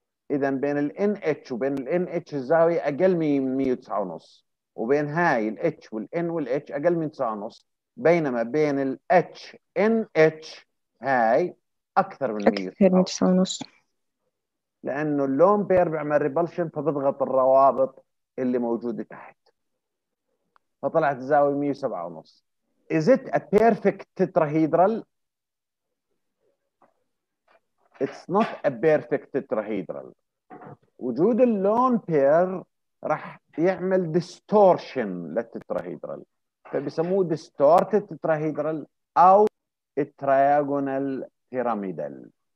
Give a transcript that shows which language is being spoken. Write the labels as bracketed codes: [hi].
[ar] إذا بين ال NH وبين ال NH الزاوية أقل من 109.5، وبين هاي ال H وال N وال H أقل من 109.5، بينما بين ال H NH هاي أكثر من 109.5، لأنه اللون بير بيعمل ريبلشن فبيضغط الروابط اللي موجودة تحت، فطلعت الزاوية 107.5. [en] Is it a perfect tetrahedral? It's not a perfect tetrahedral. [ar] وجود اللون بير راح يعمل distortion للتتراهيدرال، فبيسموه distorted tetrahedral أو triagonal pyramidal.